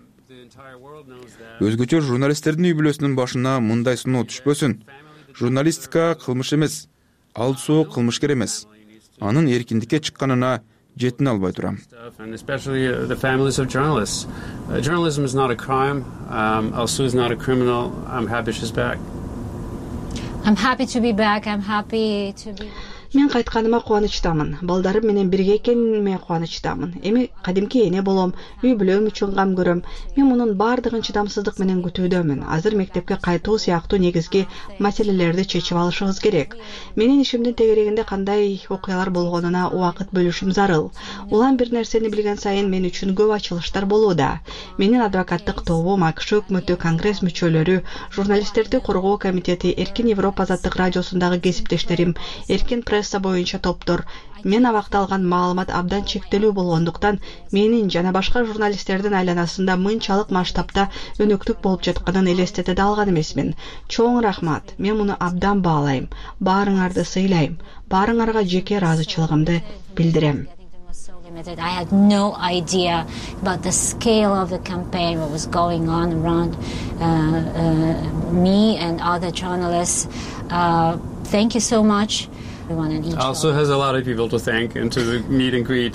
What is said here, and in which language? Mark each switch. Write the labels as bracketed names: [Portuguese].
[Kyrgyz] Өзгөчө журналисттердин үй бүлөсүнүн башына мындай сыноо түшпөсүн. Журналистика кылмыш эмес. Ал суу кылмышкер эмес. Анын эркиндикке чыкканына жетине албай турам. [English] Especially the families of journalists. Journalism is not a crime. Алсу is not a criminal. I'm happy she's back. I'm happy to be back. [Kyrgyz] Мен кайтканыма кубанычтамын. Балдарым менен бирге экенимге кубанычтамын. Эми кадимки эне болом, үй бүлөм үчүн кам көрөм. Мен мунун баардыгын чыдамсыздык менен күтүүдөмүн. Азыр мектепке кайтуу сыяктуу негизги маселелерди чечип алышыбыз керек. Менин ишимдин тегерегинде кандай окуялар болгонуна убакыт бөлүшүм зарыл. Улан бир нерсени билген сайын мен үчүн көп ачылыштар болууда. Менин адвокаттык тобум, АКШ өкмөтү, конгресс мүчөлөрү, журналисттерди коргоо комитети, Эркин Европа азаттык радиосундагы кесиптештерим, эркин пресса боюнча топтор, мен абакталган маалымат абдан чектелүү болгондуктан менин жана башка журналисттердин айланасында мынчалык масштабта өнөктүк болуп жатканын элестете да алган эмесмин. Чоң рахмат, мен муну абдан баалайм, баарыңарды сыйлайм, баарыңарга жеке ыраазычылыгымды билдирем. [English] I had no idea about the scale of the campaign, what was going on around me and other journalists. Thank you so much. Everyone in each Also has a lot of people to thank and to meet and greet.